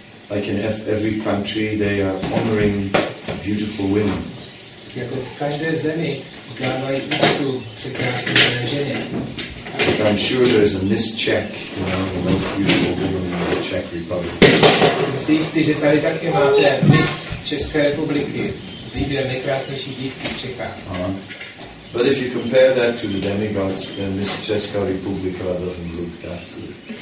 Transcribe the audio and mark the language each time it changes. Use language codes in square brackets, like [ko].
[en] Like in every country, they are honoring beautiful women. [cs] Jako v každé zemi vzdávají úctu překrásné ženě. [en] But I'm sure there is a mischeck, you know, the most beautiful woman in the Czech Republic. [cs] Jsem si jistý, že tady taky máte Miss České republiky, výběr nejkrásnější dívky v Čechách. [en] But if you compare that to the demigods, then this Česká republika doesn't look that good.